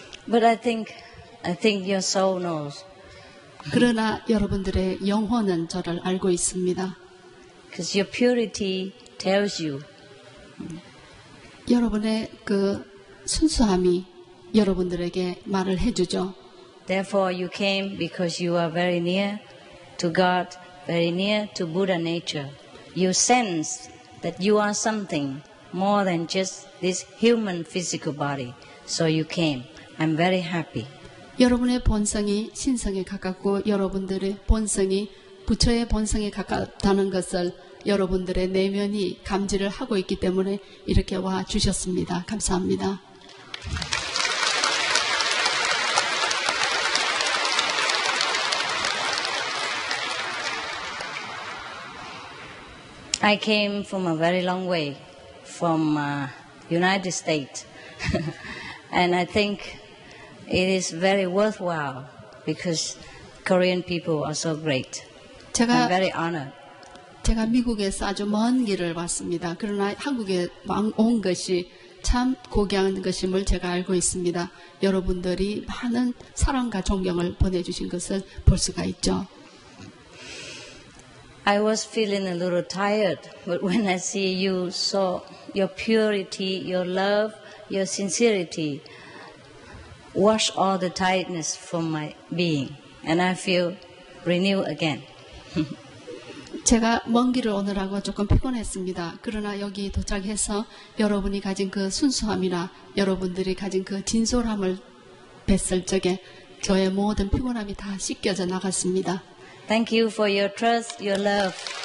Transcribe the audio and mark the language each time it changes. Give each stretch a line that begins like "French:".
English: But I think your soul knows.
Korean: 그러나 여러분들의 영혼은 저를 알고 있습니다.
English: Because your purity tells you.
Korean: 여러분의 그 순수함이 여러분들에게 말을 해주죠.
English: Therefore, you came because you are very near to God, very near to Buddha nature. You sense that you are something more than just this human physical body. So you came. I'm very happy.
Korean: 여러분의 본성이 신성에 가깝고 여러분들의 본성이 부처의 본성에 가깝다는 것을 여러분들의 내면이 감지를 하고 있기 때문에 이렇게 와 주셨습니다. 감사합니다.
English: I came from a very long way, from United States. And I think it is very worthwhile because Korean people are so great. I'm very honored.
Korean: 제가 미국에서 아주 먼 길을 왔습니다. 그러나 한국에 온 것이 참 고귀한 것임을 제가 알고 있습니다. 여러분들이 많은 사랑과 존경을 보내주신 것을 볼 수가 있죠.
English: I was feeling a little tired, but when I see you so, your purity, your love, your sincerity, wash all the tiredness from my being, and I feel renewed again.
Korean: 제가 먼 길을 오느라고 조금 피곤했습니다. 그러나 여기 도착해서 여러분이 가진 그 순수함이나 여러분들이 가진 그 진솔함을 뵀을 적에 저의 모든 피곤함이 다 씻겨져 나갔습니다.
English: Thank you for your trust, your love.